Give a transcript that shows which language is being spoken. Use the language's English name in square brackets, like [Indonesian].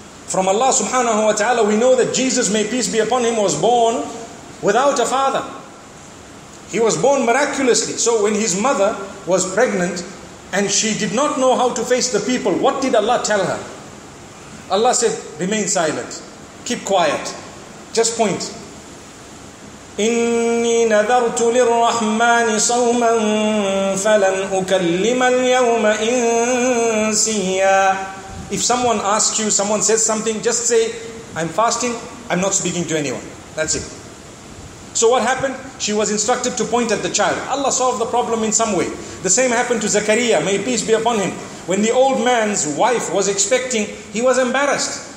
[English] From Allah subhanahu wa ta'ala, we know that Jesus, may peace be upon him, was born without a father. He was born miraculously. So when his mother was pregnant and she did not know how to face the people, what did Allah tell her? Allah said, remain silent. Keep quiet. Just point. [Arabic] إني نذرت للرحمن صوما فلن أكلم اليوم إنسيا. [English] If someone asks you, someone says something, just say, I'm fasting, I'm not speaking to anyone. That's it. So what happened? She was instructed to point at the child. Allah solved the problem in some way. The same happened to Zakaria, may peace be upon him. When the old man's wife was expecting, he was embarrassed.